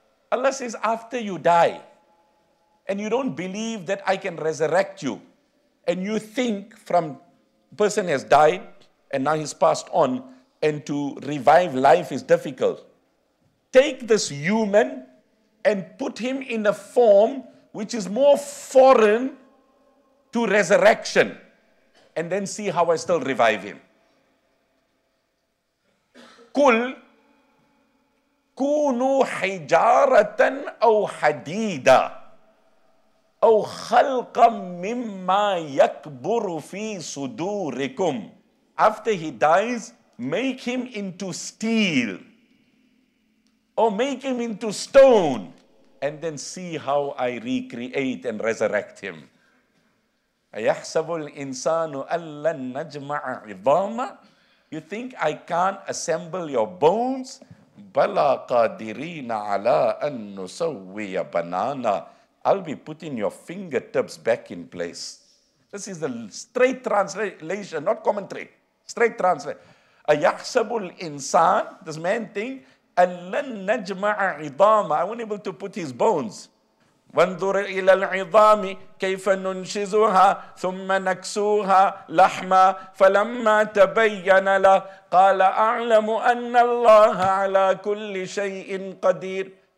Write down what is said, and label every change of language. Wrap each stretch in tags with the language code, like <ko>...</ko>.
<en>Allah says, after you die, and you don't believe that I can resurrect you, and you think from person has died and now he's passed on and to revive life is difficult. Take this human and put him in a form which is more foreign to resurrection and then see how I still revive him.</en> <ar>Kul kunu hijaratan aw hadida أو خلقا مما يكبر في صدوركم.</ar> <en>After he dies, make him into steel or make him into stone and then see how I recreate and resurrect him.</en> <ar>أيحسب الإنسان ألا نجمع عظاما.</ar> <en>You think I can't assemble your bones?</en> <ar>بلا قادرين على أن نسوي بنانا.</ar> <en>I'll be putting your fingertips back in place. This is the straight translation, not commentary. Straight translation.</en> <ar>أَيَحْسَبُ الْإِنسَانِ.</ar> <en>This man thing.</en> <ar>أَلَّنْ نَجْمَعَ عِظَامًا.</ar> <en>I won't able to put his bones.</en> <ar>وَانْظُرْ إِلَى الْعِظَامِ كَيْفَ نُنْشِزُهَا ثُمَّ نَكْسُوهَا لَحْمًا فَلَمَّا تَبَيَّنَ لَهُ قَالَ أَعْلَمُ أَنَّ اللَّهَ عَلَى كُلِّ شَيْءٍ قَدِيرٌ.</ar>